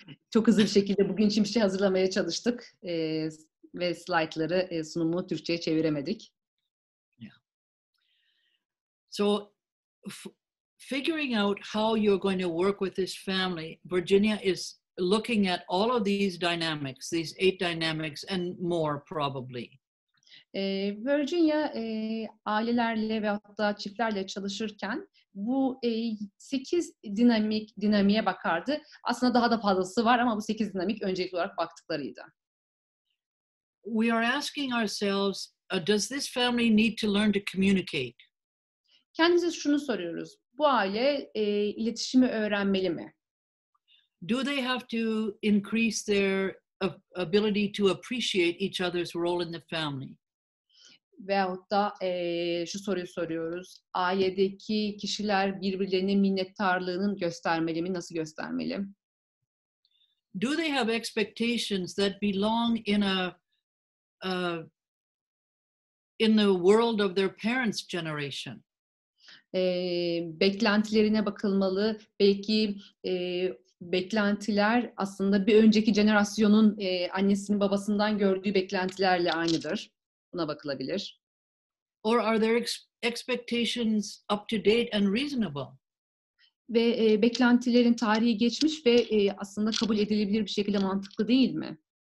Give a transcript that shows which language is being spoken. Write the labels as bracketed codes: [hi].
[tr] Çok hızlı bir şekilde bugün için bir şey hazırlamaya çalıştık ve slaytları sunumu Türkçe'ye çeviremedik. Yeah. [en] So figuring out how you're going to work with this family, Virginia is looking at all of these dynamics, these eight dynamics and more probably. [tr] Virginia ailelerle ve hatta çiftlerle çalışırken bu 8 dinamiğe bakardı. Aslında daha da fazlası var ama bu 8 dinamik öncelikli olarak baktıklarıydı. [en] We are asking ourselves, does this family need to learn to communicate? [tr] Kendimize şunu soruyoruz. Bu aile iletişimi öğrenmeli mi? [en] Do they have to increase their ability to appreciate each other's role in the family? [tr] Veyahut da şu soruyu soruyoruz. Ailedeki kişiler birbirlerinin minnettarlığının göstermeli mi? Nasıl göstermeli? [en] Do they have expectations that belong in in the world of their parents' generation? [tr] Beklentilerine bakılmalı. Belki beklentiler aslında bir önceki jenerasyonun annesinin babasından gördüğü beklentilerle aynıdır. Buna bakılabilir. [en] Or are their expectations up to date and reasonable? [tr] Ve beklentilerin tarihi geçmiş ve aslında kabul edilebilir bir şekilde mantıklı değil mi?